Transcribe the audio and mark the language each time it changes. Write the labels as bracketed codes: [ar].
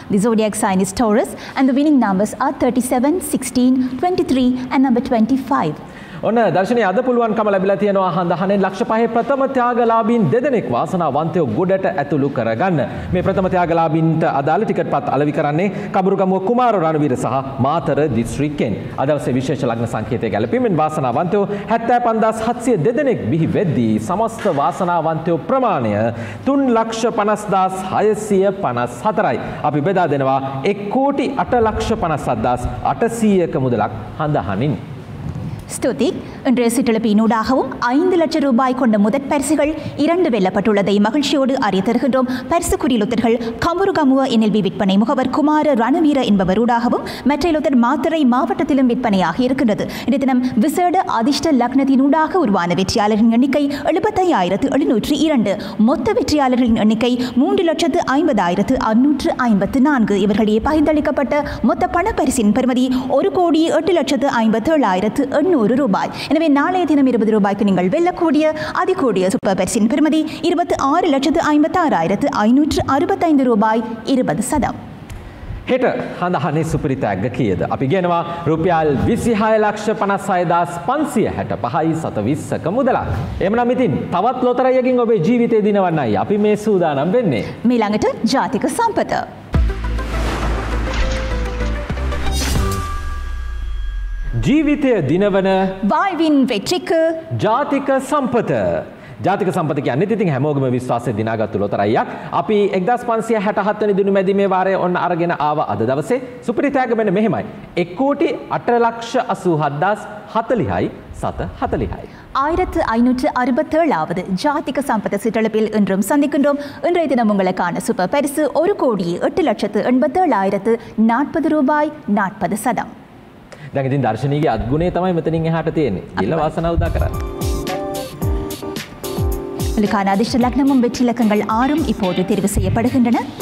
[en] The zodiac sign is Taurus and the winning numbers are 37, 16, 23 and number 25. [si] ඔන්න දර්ශනීය අද පුළුවන් කම ලැබිලා තියෙනවා හඳහනේ ලක්ෂ 5 ප්‍රථම ත්‍යාගලාභීන් දෙදෙනෙක් වාසනාවන්තය ගොඩට ඇතුළු කරගන්න මේ ප්‍රථම ත්‍යාගලාභීන්ට අදාළ ටිකට්පත් අලෙවි කරන්නේ කබුරුගමුව කුමාර රණවීර සහ මාතර දිස්ත්‍රික්කෙන් අද දවසේ විශේෂ ලග්න සංකේතය ගැලපීමෙන් වාසනාවන්තය 75700 දෙදෙනෙක් බිහි වෙද්දී සමස්ත වාසනාවන්තය ප්‍රමාණය 350654යි අපි බෙදා දෙනවා 1,08,57,800ක මුදලක් හඳහනින් [ta] ஸ்துதி இன்றைய சிட்டிழப்பினூடாகவும் 5 லட்சம் ரூபாய் கொண்ட முதற் பரிசுகள் இரண்டு வெல்லப்பட்டுள்ளதை மகிழ்ச்சியோடு அறிந்திருக்கின்றோம் பரிசுக்குரிய லொத்தர்கள் கம்புருகமுவ என்எல்பி விற்பனை முகவர் குமார ரணவீர என்பவரூடாகவும் மற்ற லொத்தர் மாத்தரை மாவட்டத்திலும் விற்பனையாகி இருக்கின்றது இந்த தினம் விசேட அதிர்ஷ்ட லக்னத்தினூடாக உருவான வெற்றியாளர்களின் எண்ணிக்கை 75,702 மொத்த வெற்றியாளர்களின் எண்ணிக்கை 3,50,654 இவர்களே பகிர்ந்தளிக்கப்பட்ட மொத்த பண பரிசின் பெருமதி 1,08,57,800 ரூபாய் எனவே நாளைய தினம் 20 ரூபாய்க்கு நீங்கள் வெல்லக்கூடிய அதிகூடிய சூப்பர் பரிசின் பெருமதி 26,56,565 ரூபாய் 20 சதம் [si] හෙට හඳහනේ සුපිරි තැග්ග කීයද අපි ගෙනවා රුපියල් 26,56,565.20ක මුදලක් එමුනම් ඉතින් තවත් ලොතරැයියකින් ඔබේ ජීවිතේ දිනවන්නයි අපි මේ සූදානම් වෙන්නේ මේ ළඟට ජාතික සම්පත ජීවිතය දිනවන වයිවින් වෙට්‍රික ජාතික සම්පත ජාතික සම්පත කියන්නේ ඉතින් හැමෝගෙම විශ්වාසයෙන් දිනාගත්තු ලොතරැයියක් අපි 1567 වෙනි දින මැදි මේ වාරයේ ඔන්න අරගෙන ආව අද දවසේ සුපිරි තෑග වෙන මෙහෙමයි 1,08,87,40.40 [ta] 1567வது ஜாதிக சம்பத சிட்டளப்பில் இன்றும் சந்திக்கின்றோம் இன்றைய தினம் உங்களுக்கான சூப்பர் பரிசு 1,08,87,40 ரூபாய் 40 சதம் [si] දැන් ඉතින් දර්ශනීයගේ අත්ගුණේ තමයි මෙතනින් එහාට තියෙන්නේ ගිල වාසනාව උදා කරන්නේ ලිකාන අදිෂ්ඨ ලග්නමුම් වෙච්චි ලකංගල් ආරම් ඉපෝද තිරව සියපඩකින්නන